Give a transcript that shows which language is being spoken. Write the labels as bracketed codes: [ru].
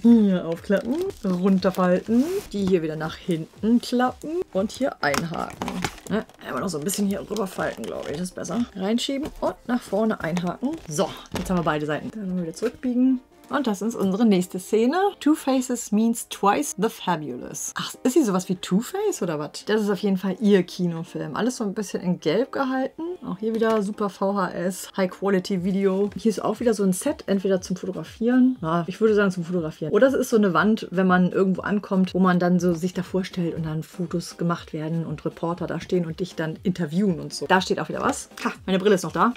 [de] Hier aufklappen, runterfalten, die hier wieder nach hinten klappen und hier einhaken. Einmal noch so ein bisschen hier rüberfalten, glaube ich, das ist besser. Reinschieben und nach vorne einhaken. So, jetzt haben wir beide Seiten. Dann wieder zurückbiegen. Und das ist unsere nächste Szene. [en] Two Faces means twice the fabulous. [de] Ach, ist sie sowas wie Two Face oder was? Das ist auf jeden Fall ihr Kinofilm. Alles so ein bisschen in Gelb gehalten. Auch hier wieder super VHS, High Quality Video. Hier ist auch wieder so ein Set, entweder zum Fotografieren. Ja, ich würde sagen zum Fotografieren. Oder es ist so eine Wand, wenn man irgendwo ankommt, wo man dann so sich davor stellt und dann Fotos gemacht werden und Reporter da stehen und dich dann interviewen und so. Da steht auch wieder was. Ha, meine Brille ist noch da.